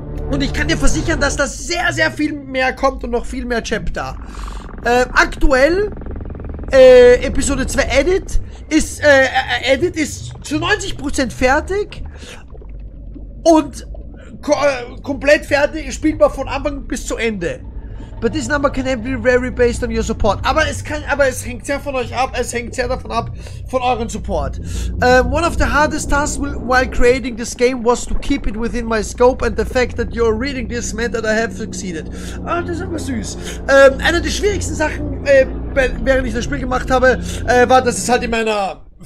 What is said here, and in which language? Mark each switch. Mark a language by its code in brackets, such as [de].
[de] Und ich kann dir versichern, dass da sehr, sehr viel mehr kommt und noch viel mehr Chapter. Aktuell... Episode 2 Edit ist Edit ist zu 90% fertig und komplett fertig, spielbar von Anfang bis zu Ende. [en] But this number can be very based on your support. [de] Aber es hängt sehr von euch ab, es hängt sehr davon ab, von euren Support. [en] One of the hardest tasks while creating this game was to keep it within my scope and the fact that you're reading this meant that I have succeeded. [de] Ah, das ist aber süß. Eine der schwierigsten Sachen, während ich das Spiel gemacht habe, war, dass es halt in meiner